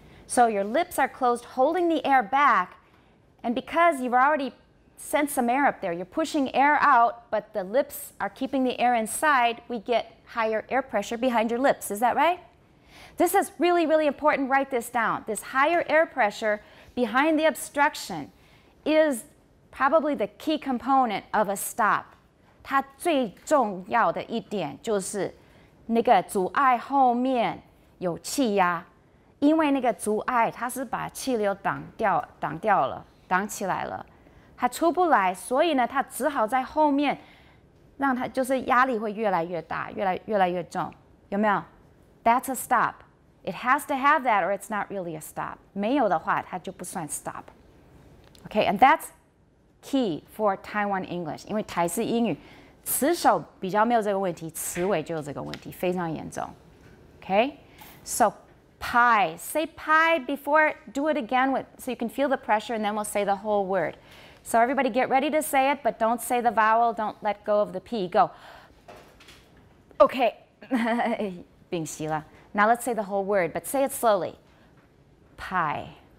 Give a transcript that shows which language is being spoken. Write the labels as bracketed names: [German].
[English] So your lips are closed, holding the air back, and because you've already sent some air up there, you're pushing air out, but the lips are keeping the air inside, we get higher air pressure behind your lips. Is that right? This is really, really important. Write this down. This higher air pressure behind the obstruction is probably the key component of a stop. [Chinese] 它最重要的一点就是那个阻碍后面有气压。因为那个阻碍，它是把气流挡掉了，挡起来了，它出不来，所以呢，它只好在后面，让它就是压力会越来越大，越来越重，有没有 ？ [English] That's a stop. It has to have that, or it's not really a stop. [Chinese] 没有的话，它就不算 stop. [English] Okay, and that's key for Taiwan English. [Chinese] 因为台式英语，词首比较没有这个问题，词尾就有这个问题，非常严重。 [English] Okay, so. Pi. Say pi before, do it again with, so you can feel the pressure and then we'll say the whole word. So everybody get ready to say it, but don't say the vowel, don't let go of the P. Go. Okay. [Chinese] 屏息了。 [English] Now let's say the whole word, but say it slowly. Pi.